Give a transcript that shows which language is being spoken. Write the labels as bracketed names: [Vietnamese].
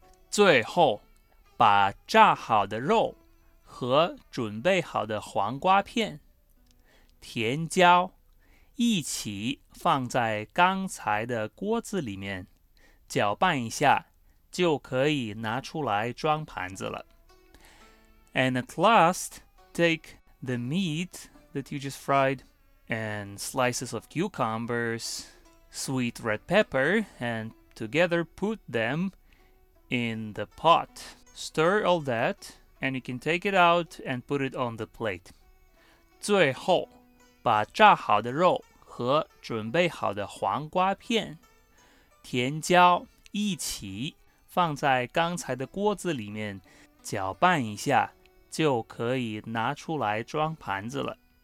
[Chinese] 最后，把炸好的肉和准备好的黄瓜片、甜椒一起放在刚才的锅子里面，搅拌一下，就可以拿出来装盘子了。 [English] And at last, take the meat that you just fried and slices of cucumbers, sweet red pepper, and together put them in the pot. Stir all that, and you can take it out and put it on the plate. [Chinese] 最后，把炸好的肉和准备好的黄瓜片、甜椒一起放在刚才的锅子里面搅拌一下，就可以拿出来装盘子了。